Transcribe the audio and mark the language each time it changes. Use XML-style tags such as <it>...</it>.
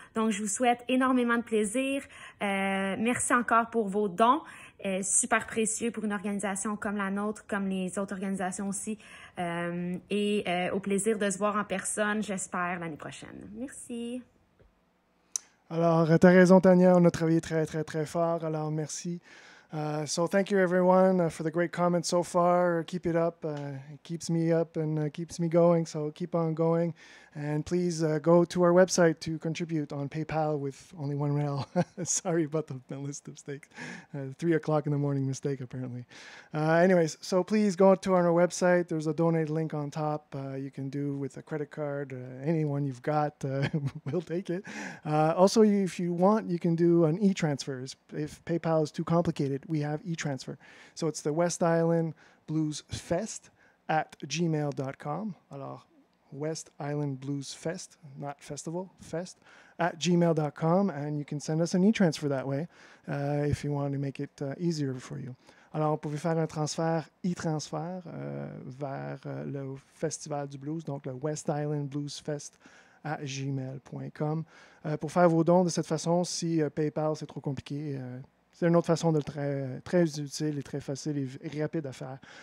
<fr>Donc, je vous souhaite énormément de plaisir. Merci encore pour vos dons. Super précieux pour une organisation comme la nôtre, comme les autres organisations aussi. Au plaisir de se voir en personne, j'espère, l'année prochaine. Merci. Alors, t'as raison, Tania, on a travaillé très, très, très fort, alors merci.</fr> <en>So, thank you, everyone, for the great comments so far. Keep it up. It keeps me up and keeps me going, so keep on going. And please go to our website to contribute on PayPal with only one rail. Sorry about the list of mistakes. 3 o'clock in the morning mistake, apparently. Anyways, so please go to our website. There's a donate link on top. You can do with a credit card, anyone you've got. We'll take it. Also, if you want, you can do an e-transfer. If PayPal is too complicated, we have e-transfer. So it's the West Island Blues Fest at gmail.com. Alors, West Island Blues Fest, not festival, fest, at gmail.com, and you can send us an e-transfer that way if you want to make it easier for you.</en> <fr>Alors, vous pouvez faire un transfert e-transfer vers le Festival du Blues, donc le West Island Blues Fest at gmail.com. Pour faire vos dons de cette façon, si PayPal, c'est trop compliqué, c'est une autre façon de le très utile et très facile et rapide à faire.</fr>